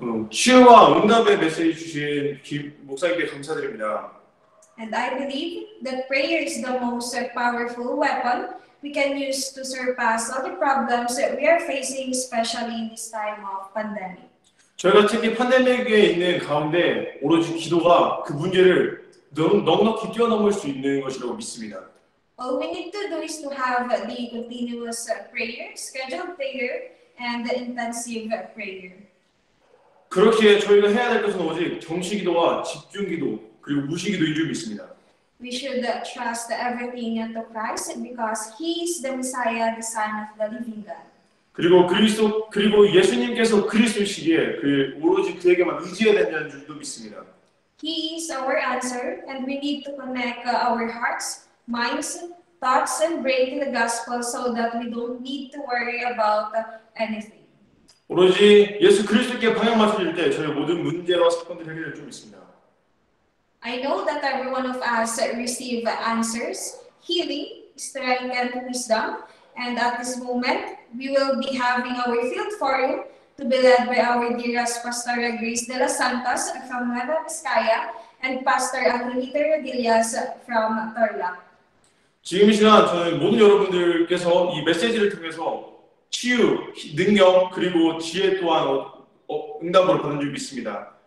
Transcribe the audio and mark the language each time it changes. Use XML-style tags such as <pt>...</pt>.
<ko>치유와 응답의 메시지 주신 목사님께 감사드립니다.</ko> <en>And I believe that prayer is the most powerful weapon we can use to surpass all the problems that we are facing, especially in this time of pandemic.</en> <ko>저희가 특히 팬데믹에 있는 가운데 오로지 기도가 그 문제를 넉넉히 뛰어넘을 수 있는 것이라고 믿습니다.</ko> <en>All we need to do is to have the continuous prayer, scheduled prayer, and the intensive prayer.</en> <ko>그렇기에 저희가 해야 될 것은 오직 정시기도와 집중기도 그리고 무시기도인 줄 믿습니다.</ko> <en>We should trust everything unto Christ because He is the Messiah, the Son of the Living God.</en> <ko>그리고 예수님께서 그리스도시기에 그 오로지 그에게만 의지해야 된다는 줄도 믿습니다.</ko> <en>He is our answer, and we need to connect our hearts, minds, thoughts, and brain to the gospel so that we don't need to worry about anything.</en> <ko>오로지 예수 그리스도께 방향 맞춰질 때 저희 모든 문제와 사건들 해결될 줄 믿습니다.</ko> <en>I know that every one of us receive answers, healing, strength, and wisdom. And at this moment, we will be having our field for you to be led by our dearest Pastor Grace de la Santos from Nueva Vizcaya and Pastor Angelita Rodillas from Tarlac.</en> <ko>지금 이 시간 저는 모든 여러분들께서 이 메시지를 통해서 치유, 능력, 그리고 지혜 또한 응답으로 받는 줄 믿습니다.</ko>